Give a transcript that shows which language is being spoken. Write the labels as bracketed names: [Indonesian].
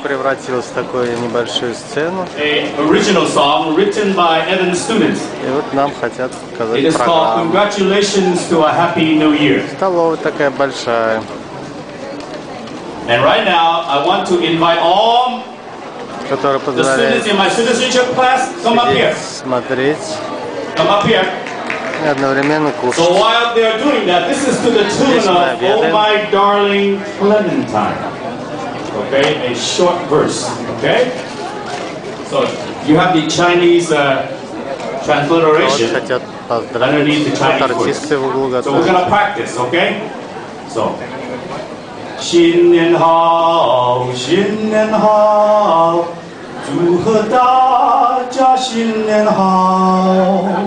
[Russian] Превратилось в такую небольшую сцену. [English] A original song written by Evan students. [Russian] И вот нам хотят показать программу. [English] It is called Congratulations to a Happy New Year. [Russian] Столовая такая большая. [English] And right now, I want to invite all the students in my citizenship class. Come up here. [Russian] Смотреть. [English] Come up here. [Russian] И одновременно кушать. [English] So while they are doing that, this is to the tune of Oh My Darling Clementine. Okay, a short verse. Okay? So you have the Chinese transliteration underneath the Chinese words. So we're going to practice, okay? So. [Chinese] 新年好,新年好, 祝贺大家新年好。